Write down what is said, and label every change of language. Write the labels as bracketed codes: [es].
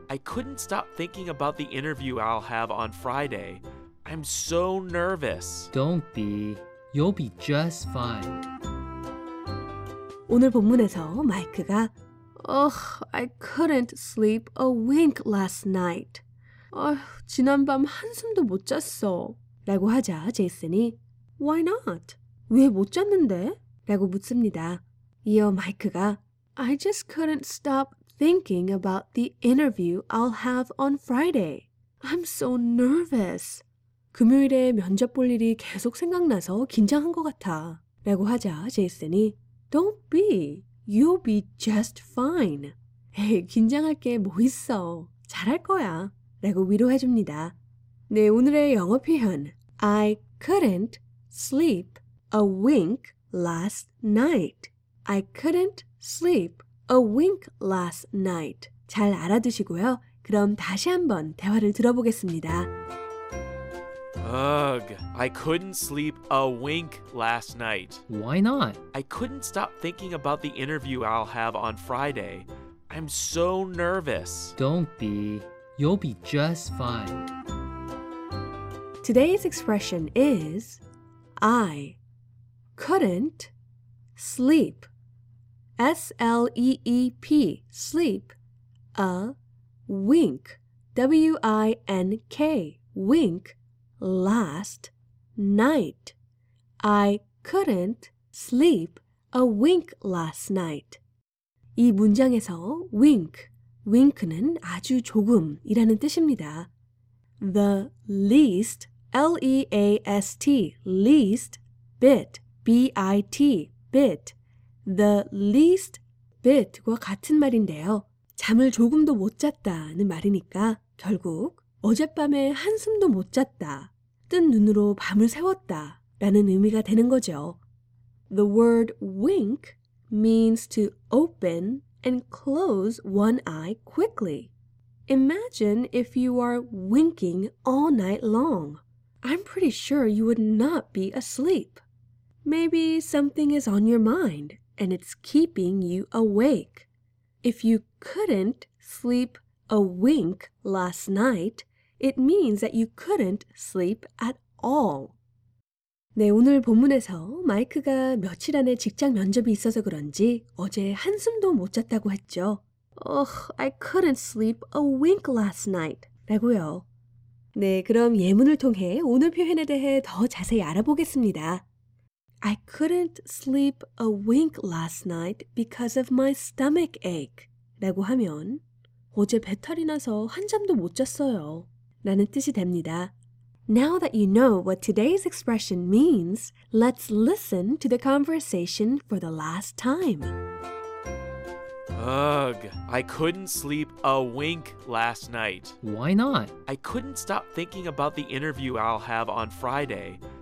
[en] I couldn't stop thinking about the interview I'll have on Friday. I'm so nervous. Don't be. You'll be just fine. [ko] 오늘 본문에서 마이크가 [en] Ugh, I couldn't sleep a wink last night. [ko] 지난밤 한숨도 못 잤어. 라고 하자 제이슨이 [en] Why not? [ko] 왜 못 잤는데? 라고 묻습니다. 이어 마이크가 [en] I just couldn't stop thinking about the interview I'll have on Friday. I'm so nervous. [ko] 금요일에 면접 볼 일이 계속 생각나서 긴장한 것 같아. 라고 하자 제이슨이 [en] Don't be. You'll be just fine. [ko] 에이, 긴장할 게 뭐 있어. 잘할 거야. 라고 위로해 줍니다. 네, 오늘의 영어 표현. [en] I couldn't sleep a wink last night. I couldn't sleep a wink last night. [ko] 잘 알아두시고요. 그럼 다시 한번 대화를 들어보겠습니다. [en] Ugh, I couldn't sleep a wink last night. Why not? I couldn't stop thinking about the interview I'll have on Friday. I'm so nervous. Don't be. You'll be just fine. Today's expression is I couldn't sleep. S-L-E-E-P, sleep, a wink, W-I-N-K, wink, last night. I couldn't sleep a wink last night. [ko] 이 문장에서 wink, wink는 아주 조금이라는 뜻입니다. [en] The least, L-E-A-S-T, least bit, B-I-T, bit. The least bit [ko] 과 같은 말인데요. 잠을 조금도 못 잤다는 말이니까 결국 어젯밤에 한숨도 못 잤다, 뜬 눈으로 밤을 새웠다 라는 의미가 되는 거죠. [en] The word wink means to open and close one eye quickly. Imagine if you are winking all night long. I'm pretty sure you would not be asleep. Maybe something is on your mind. And it's keeping you awake. If you couldn't sleep a wink last night, it means that you couldn't sleep at all. [ko] 네, 오늘 본문에서 마이크가 며칠 안에 직장 면접이 있어서 그런지 어제 한숨도 못 잤다고 했죠. [en] Ugh, I couldn't sleep a wink last night. [ko] 라고요. 네, 그럼 예문을 통해 오늘 표현에 대해 더 자세히 알아보겠습니다. [en] I couldn't sleep a wink last night because of my stomach ache. [ko] 라고 하면 어제 배탈이 나서 한잠도 못 잤어요. 라는 뜻이 됩니다. [en] Now that you know what today's expression means, let's listen to the conversation for the last time. Ugh, I couldn't sleep a wink last night. Why not? I couldn't stop thinking about the interview I'll have on Friday.